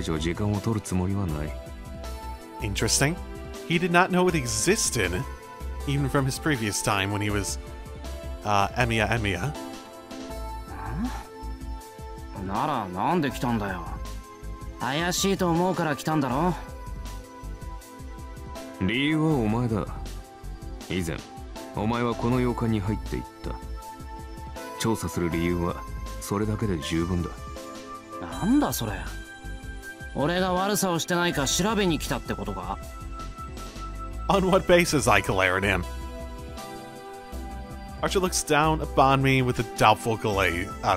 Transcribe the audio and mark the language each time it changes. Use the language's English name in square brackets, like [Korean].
[Japanese] じゃあお前もここに何かあるって思ったのか。そうでもなければ近づかないだろ、こんなと。いや、私はこの洋館には興味はないし、そもそも存在を知らなかった。調査を終えたところだが、これといった異常もない。これ以上時間を取るつもりはない。 [English] Interesting. He did not know it existed, even from his previous time when he was Emiya. [Japanese] なら、なんで来たんだよ。怪しいと思うから来たんだろ。理由はお前だ。以前、お前はこの洋館に入っていった。調査する理由はそれだけで十分だ。なんだそれ。俺が悪さをしてないか調べに来たってことか。 [English] On what basis, I glared him. Archer looks down upon me with a doubtful glaze.